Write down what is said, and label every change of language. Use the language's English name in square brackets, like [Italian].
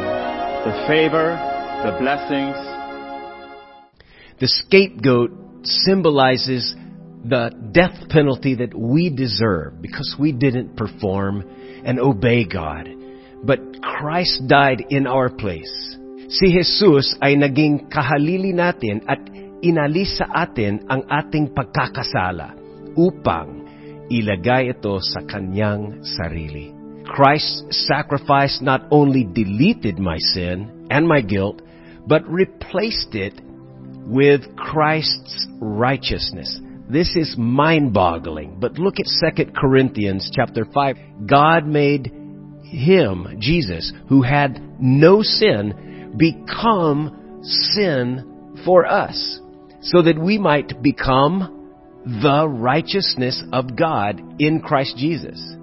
[English] The favor, the blessings. The scapegoat symbolizes the death penalty that we deserve because we didn't perform and obey God. But Christ died in our place. [Filipino] Si Jesus ay naging kahalili natin at inalis sa atin ang ating pagkakasala upang ilagay ito sa kanyang sarili. [English] Christ's sacrifice not only deleted my sin and my guilt, but replaced it with Christ's righteousness. This is mind-boggling, but look at 2 Corinthians chapter 5. God made him, Jesus, who had no sin, become sin for us, so that we might become the righteousness of God in Christ Jesus.